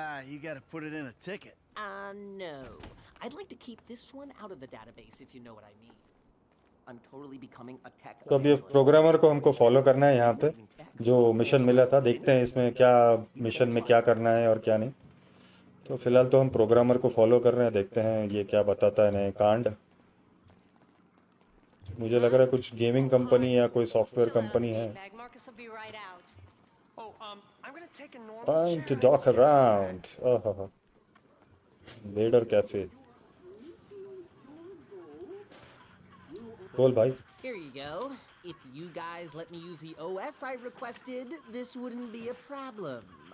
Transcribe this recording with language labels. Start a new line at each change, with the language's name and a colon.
English: You gotta put it in a ticket. No. I'd like to keep this one out of the database, if you know what I mean. I'm totally becoming a tech.
Hindi: तो अभी programmer को हमको follow करना है यहाँ पे, जो mission मिला था। देखते हैं इसमें क्या मिशन में क्या करना है और क्या नहीं। तो फिलहाल तो हम प्रोग्रामर को फॉलो कर रहे हैं, देखते हैं ये क्या बताता है। नए कांड, मुझे लग रहा है कुछ गेमिंग कंपनी या कोई सॉफ्टवेयर कंपनी है।
English: I'm going to take a normal time to dock around. Vader cafe.
Hindi: Bol bhai.
English: Here you go. If you guys let me use the OS I requested, this wouldn't be a problem.